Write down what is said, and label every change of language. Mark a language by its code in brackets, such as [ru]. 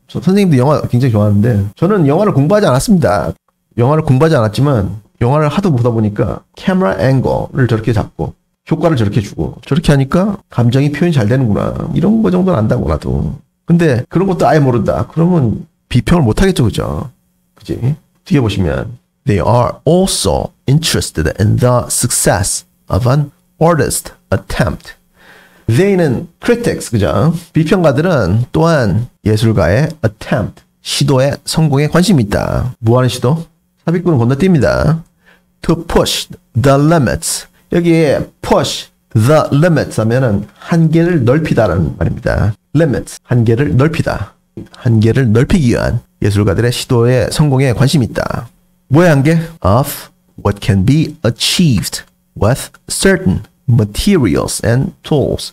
[ko] 선생님도 영화 굉장히 좋아하는데 저는 영화를 공부하지 않았습니다. 영화를 공부하지 않았지만 영화를 하도 보다 보니까 카메라 앵거를 저렇게 잡고 효과를 저렇게 주고 저렇게 하니까 감정이 표현이 잘 되는구나 이런 거 정도는 안다고 나도. 근데 그런 것도 아예 모른다 그러면 비평을 못 하겠죠. 그죠? 그지? 뒤에 보시면 [en] They are also interested in the success of an artist attempt. [ko] They는 critics, 그죠? 비평가들은 또한 예술가의 attempt, 시도의 성공에 관심이 있다. 뭐 하는 시도? 삽입구는 건너뜁니다. [en] To push the limits. [ko] 여기에 [en] push the limits [ko] 하면은 한계를 넓히다라는 말입니다. Limits, 한계를 넓히다. 한계를 넓히기 위한 예술가들의 시도의 성공에 관심이 있다. 뭐의 한계? [en] Of what can be achieved with certain materials and tools.